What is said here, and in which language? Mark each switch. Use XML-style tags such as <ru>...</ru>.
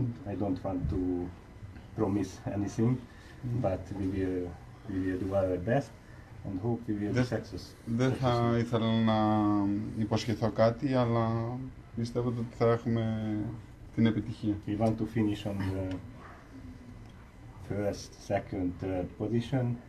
<en>I don't want to promise anything, but we will do our best and hope we will be success.</en> <el>Δεν θα ήθελα να υποσχεθώ κάτι, αλλά πιστεύω ότι θα έχουμε την επιτυχία.</el> <en>We want to finish on the first, second, third position.</en>